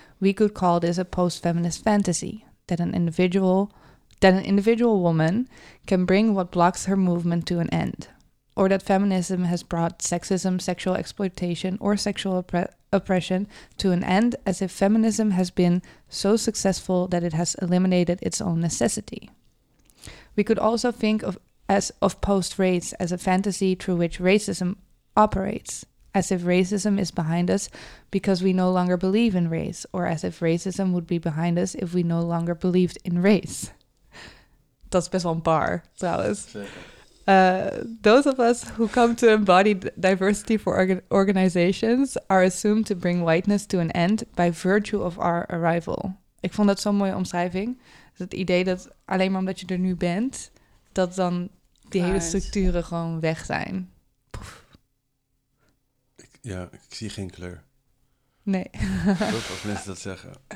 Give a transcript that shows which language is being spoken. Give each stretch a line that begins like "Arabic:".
English: We could call this a post-feminist fantasy, that an individual woman can bring what blocks her movement to an end, or that feminism has brought sexism, sexual exploitation, or sexual oppression to an end, as if feminism has been so successful that it has eliminated its own necessity. We could also think of post-race as a fantasy through which racism operates, as if racism is behind us because we no longer believe in race, or as if racism would be behind us if we no longer believed in race.
Dutch: Dat is best wel een bar, trouwens.
English: Those of us who come to embody diversity for organizations are assumed to bring whiteness to an end by virtue of our arrival.
Dutch: Ik vond dat zo'n mooie omschrijving. Het idee dat alleen maar omdat je er nu bent, dat dan die hele structuren gewoon weg zijn. Ik zie geen kleur. Nee. Als mensen dat zeggen.